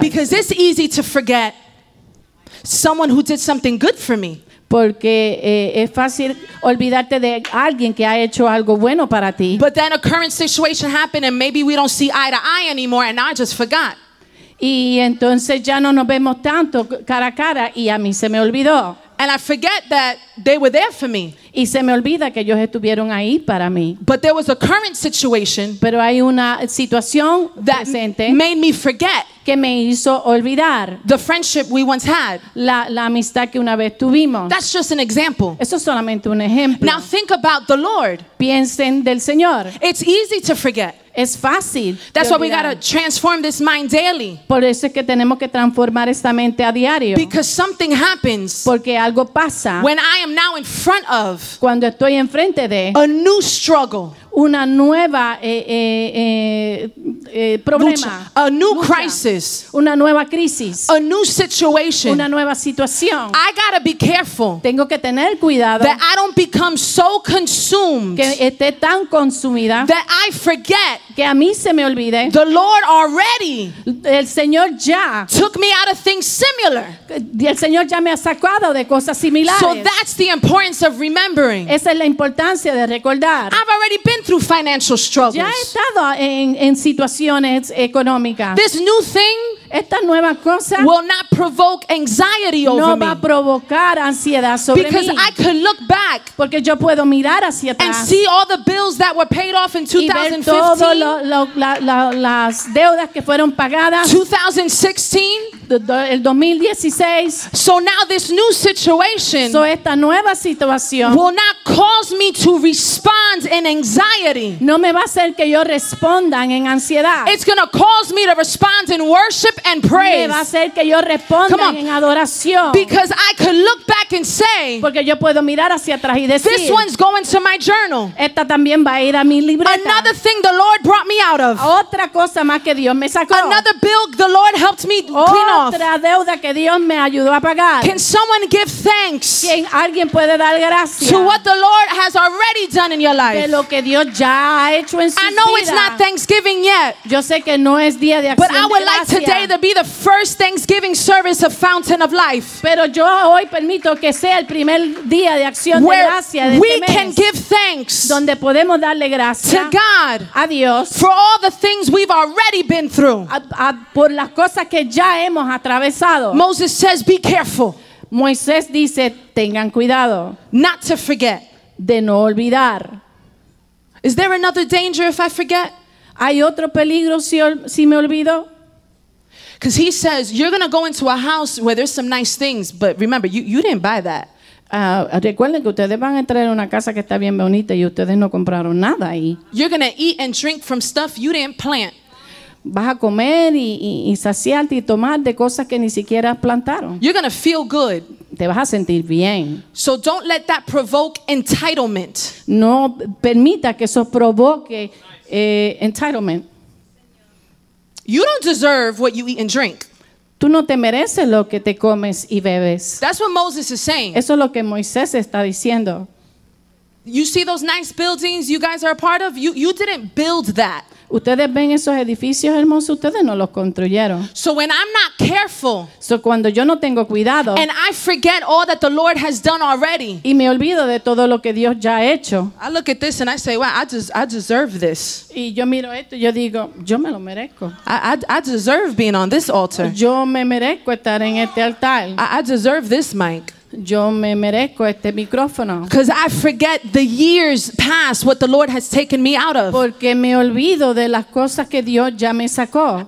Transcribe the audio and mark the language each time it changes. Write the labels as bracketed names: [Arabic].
[English] Because it's easy to forget someone who did something good for me. [Spanish] Porque es fácil olvidarte de alguien que ha hecho algo bueno para ti. [English] But then a current situation happened and maybe we don't see eye to eye anymore and I just forgot. [Spanish] Y entonces ya no nos vemos tanto cara a cara y a mí se me olvidó. [English] And I forget that they were there for me. [Spanish] Y se me olvida que ellos estuvieron ahí para mí. [English] But there was a current situation. [Spanish] Pero hay una situación [English] that [Spanish] presente [English] made me forget. [Spanish] Que me hizo olvidar. [English] The friendship we once had. [Spanish] La amistad que una vez tuvimos. [English] That's just an example. [Spanish] Eso es solamente un ejemplo. [English] Now think about the Lord. [Spanish] Piensen del Señor. [English] It's easy to forget. [Spanish] Es fácil. [English] That's why we gotta transform this mind daily. [Spanish] Por eso es que tenemos que transformar esta mente a diario. [English] Because something happens. [Spanish] Porque algo pasa. [English] When I am now in front of. [Spanish] Cuando estoy enfrente de. [English] A new struggle. [Spanish] Una nueva problema. [English] Lucha. A new crisis. [Spanish] Una nueva crisis. [English] A new situation. [Spanish] Una nueva situación. [English] I gotta be careful. [Spanish] Tengo que tener cuidado. [English] That I don't become so consumed. [Spanish] Que esté tan consumida. [English] That I forget. [Spanish] Que a mí se me olvide. [English] The Lord already. [Spanish] El Señor ya. [English] Took me out of things similar. [Spanish] El Señor ya me ha sacado de cosas similares. [English] So that's the importance of remembering. [Spanish] Esa es la importancia de recordar. [English] I've already been through financial struggles. [Spanish] Ya he estado en situaciones económicas. [English] This new thing. [Spanish] Esta nueva cosa [English] will not provoke anxiety over [Spanish] no [English] me. [Spanish] Va a provocar ansiedad sobre [English] because [Spanish] mí. [English] I can look back [Spanish] porque yo puedo mirar hacia atrás [English] and see all the bills that were paid off in 2015 [Spanish] y ver todo las deudas que fueron pagadas [English] 2016 [Spanish] el 2016 [English] so now this new situation [Spanish] so esta nueva situación [English] will not cause me to respond in anxiety [Spanish] no me va a hacer que yo respondan en ansiedad [English] it's going to cause me to respond in worship and praise. [Spanish] Me va a hacer que yo responda [English] Come on. [Spanish] En adoración. [English] Because I could look back and say, [Spanish] porque yo puedo mirar hacia atrás y decir, [English] this one's going to my journal. [Spanish] Esta también va a ir a mi libreta. [English] Another thing the Lord brought me out of. [Spanish] Otra cosa más que Dios me sacó. [English] Another bill the Lord helped me clean off. [Spanish] Otra deuda que Dios me ayudó a pagar. [English] Can someone give thanks? [Spanish] ¿Quién alguien puede dar gracias? [English] To what the Lord has already done in your life. [Spanish] De lo que Dios ya ha hecho en su vida. [English] I know it's not Thanksgiving yet. [Spanish] Yo sé que no es día de acción de gracias. [English] But I would like today to be the first Thanksgiving service of Fountain of Life. [Spanish] Pero yo hoy permito que sea el primer día de acción de gracias de este mes. [English] We can give thanks. [Spanish] Donde podemos darle gracias. [English] To God. [Spanish] A Dios. [English] For all the things we've already been through. [Spanish] Por las cosas que ya hemos atravesado. [English] Moses says, "Be careful." [Spanish] Moisés dice, "Tengan cuidado." [English] Not to forget. [Spanish] De no olvidar. [English] Is there another danger if I forget? [Spanish] ¿Hay otro peligro si me olvido? [English] Because he says, you're going to go into a house where there's some nice things, but remember, you didn't buy that. [Spanish] Recuerden que ustedes van a entrar en una casa que está bien bonita y ustedes no compraron nada ahí. [English] You're gonna eat and drink from stuff you didn't plant. [Spanish] Vas a comer y saciarte y tomar de cosas que ni siquiera plantaron. [English] You're gonna feel good. [Spanish] Te vas a sentir bien. [English] So don't let that provoke entitlement. [Spanish] No permita que eso provoque entitlement. [English] You don't deserve what you eat and drink. [Spanish] Tú no te mereces lo que te comes y bebes. [English] That's what Moses is saying. [Spanish] Eso es lo que Moisés está diciendo. [English] You see those nice buildings you guys are a part of? You didn't build that. [Spanish] Ustedes ven esos edificios hermosos, ustedes no los construyeron. [English] So when I'm not careful, [Spanish] so cuando yo no tengo cuidado, [English] and I forget all that the Lord has done already, [Spanish] y me olvido de todo lo que Dios ya ha hecho, [English] I look at this and I say, wow, I deserve this. [Spanish] Y yo miro esto y yo digo, yo me lo merezco. [English] I deserve being on this altar. [Spanish] Yo me merezco estar en este altar. [English] I deserve this mic. [Spanish] Yo me merezco este micrófono. [English] Because I forget the years past what the Lord has taken me out of. [Spanish] Porque me olvido de las cosas que Dios ya me sacó.